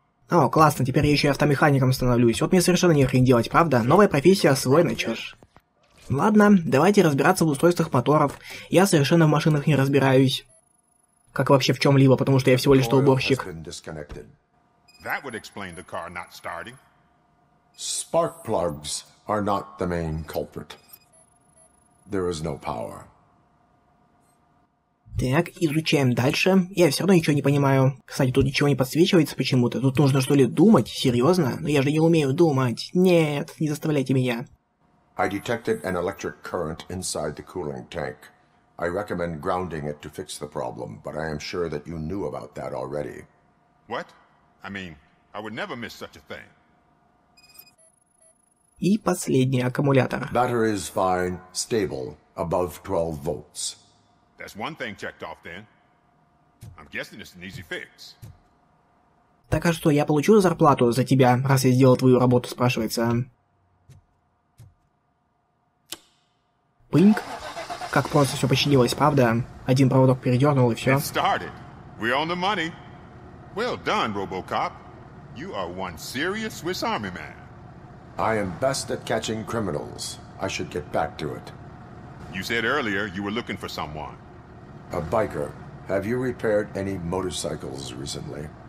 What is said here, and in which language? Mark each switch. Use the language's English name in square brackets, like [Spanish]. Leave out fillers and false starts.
[Russian] О, классно, теперь я еще и автомехаником становлюсь. Вот мне совершенно не хрен делать, правда? Новая профессия освоена, чё ж. Ладно, давайте разбираться в устройствах моторов. Я совершенно в машинах не разбираюсь. Как вообще в чем либо, потому что я всего лишь уборщик. [English] That would explain the car not starting. Spark plugs are not the main culprit. There is no power. [Russian] Так, изучаем дальше. Я все равно ничего не понимаю. Кстати, тут ничего не подсвечивается почему-то. Тут нужно что ли думать? Серьезно? Но я же не умею думать. Нет, не заставляйте меня. [English] I detected an electric current inside the cooling tank. I recommend grounding it to fix the problem, but I am sure that you knew about that already. What? I mean, I would never miss such a thing. [Russian] И последний аккумулятор. [English] Battery is fine, stable, above 12 volts. That's one thing checked off then. I'm guessing it's an easy fix. [Russian] Так а что, я получу зарплату за тебя, раз я сделал твою работу, спрашивается. Пинг. Как просто все починилось, правда? Один проводок передернул и все. [English] It started. We own the money. Well done, RoboCop. You are one serious Swiss Army man. I am best at catching criminals. I should get back to it. You said earlier you were looking for someone. A biker. Have you repaired any motorcycles recently?